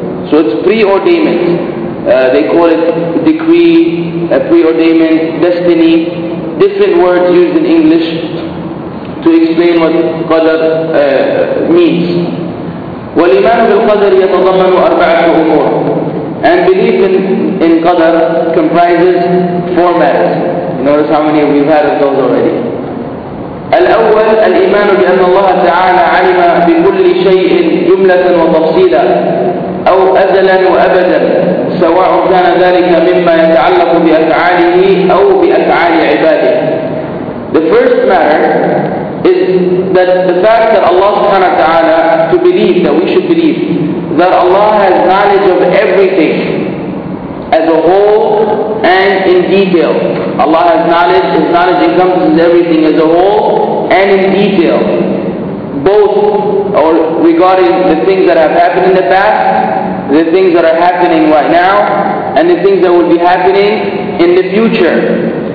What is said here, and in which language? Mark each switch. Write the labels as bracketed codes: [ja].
[en] So it's preordainment. They call it decree, preordainment, destiny, different words used in English to explain what Qadr means. [ar] والإيمان بالقدر يتضمن أربعة أمور. [en] And belief in Qadr comprises four matters. Notice how many of you have had those already. [ar] الأول الإيمان بأن الله تعالى علم بكل شيء جملة وتفصيلا أو أزلا وأبدا، سواء كان ذلك مما يتعلق بأفعاله أو بأفعال عباده. [en] The first matter is that the fact that Allah subhanahu wa ta'ala, to believe, that we should believe, that Allah has knowledge of everything as a whole and in detail. Allah has knowledge, His knowledge encompasses everything as a whole and in detail, both or regarding the things that have happened in the past, the things that are happening right now, and the things that will be happening in the future.